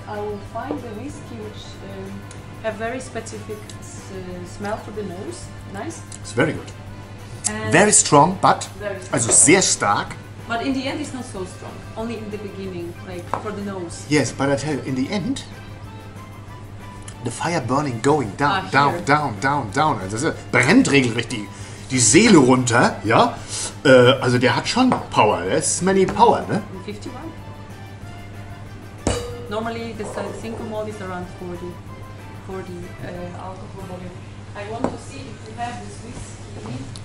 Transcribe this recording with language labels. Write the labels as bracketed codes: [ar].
[en] I will find the whiskey which have very specific smell for the nose. Nice. It's very good. Very strong, but also [de] sehr stark. [en] But in the end, it's not so strong. Only in the beginning, like for the nose. Yes, but I tell you, in the end. The fire burning going down, down. [de] Also das ist brennt regelrecht die Seele runter, ja. Also der hat schon Power, der ist many Power, ne? [en] 51. Normally the single malt is around 40 alcohol volume. I want to see if we have this whiskey.